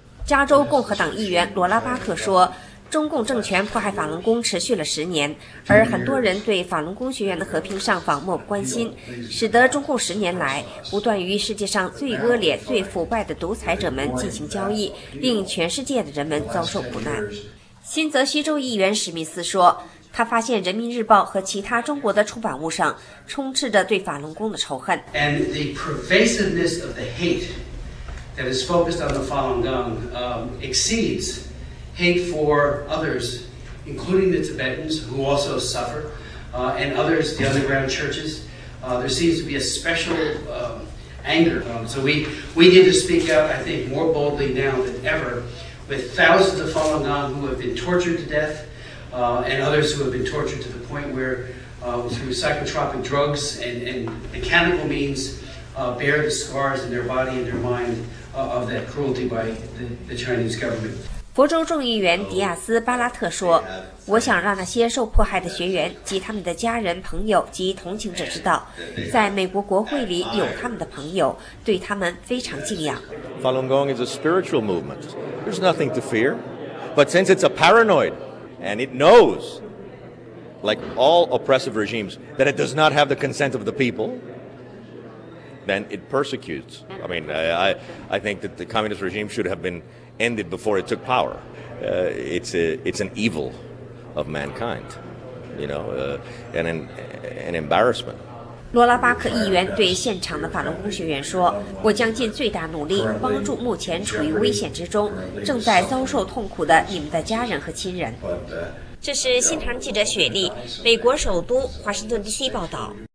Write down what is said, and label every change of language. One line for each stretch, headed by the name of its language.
Chinese: 加州共和党议员罗拉巴克说，中共政权迫害法轮功持续了10年，而很多人对法轮功学员的和平上访漠不关心，使得中共10年来不断与世界上最恶劣最腐败的独裁者们进行交易，令全世界的人们遭受苦难。新泽西州议员史密斯说，他发现人民日报和其他中国的出版物上充斥着对法轮功的仇恨。
English: And the pervasiveness of the hate that is focused on the Falun Gong exceeds hate for others, including the Tibetans who also suffer, and others, the underground churches. There seems to be a special anger. So we need to speak out, I think, more boldly now than ever with thousands of Falun Gong who have been tortured to death, and others who have been tortured to the point where through psychotropic drugs and mechanical means bear the scars in their body and their mind of that cruelty by the Chinese government.
Chinese: 佛州众议员迪亚斯·巴拉特说，我想让那些受迫害的学员及他们的家人、朋友及同情者知道，在美国国会里有他们的朋友，对他们非常敬仰。
English: Falun Gong is a spiritual movement. There's nothing to fear. But since it's a paranoid,And it knows, like all oppressive regimes, that it does not have the consent of the people, then it persecutes. I mean, I think that the communist regime should have been ended before it took power. It's an evil of mankind, you know, and an embarrassment.
Chinese: 罗拉巴克议员对现场的法轮功学员说，我将尽最大努力帮助目前处于危险之中正在遭受痛苦的你们的家人和亲人。这是新唐记者雪莉，美国首都华盛顿 DC 报道。